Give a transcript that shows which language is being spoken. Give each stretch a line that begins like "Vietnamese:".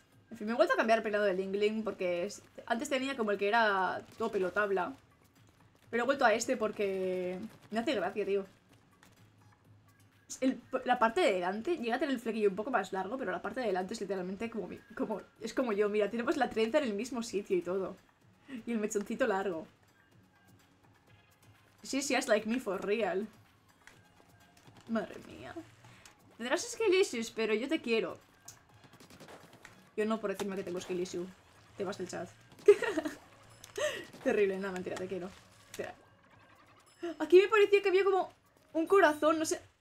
Spanish: En fin, me he vuelto a cambiar el peinado de Lingling porque antes tenía como el que era todo pelotabla. Pero he vuelto a este porque me hace gracia, tío. La parte de delante llega a tener el flequillo un poco más largo, pero la parte de delante es literalmente como, es como yo. Mira, tenemos la trenza en el mismo sitio y todo. Y el mechoncito largo.
English: She's just like me for real.
Spanish: Madre mía. Tendrás Skillissues, pero yo te quiero. Yo no por decirme que tengo Skillissue. Te vas del chat. Terrible, no, mentira, te quiero. Espera. Aquí me parecía que había como un corazón, no sé.